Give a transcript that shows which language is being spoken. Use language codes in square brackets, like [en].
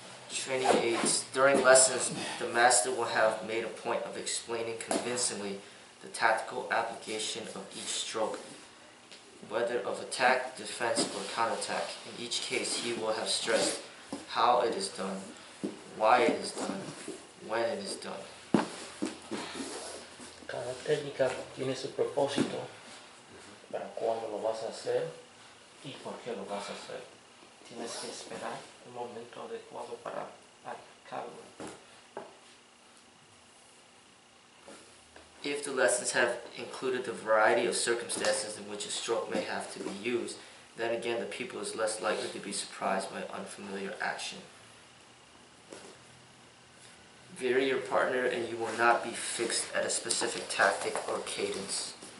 [en] Training aids. During lessons, the master will have made a point of explaining convincingly the tactical application of each stroke, whether of attack, defense, or counterattack. In each case, he will have stressed how it is done, why it is done, when it is done. [es] Cada técnica tiene su propósito para cuándo lo vas a hacer y por qué lo vas a hacer. Tienes que esperar el momento adecuado para aplicarlo. [en] If the lessons have included the variety of circumstances in which a stroke may have to be used, then again the pupil is less likely to be surprised by unfamiliar action. Vary your partner and you will not be fixed at a specific tactic or cadence.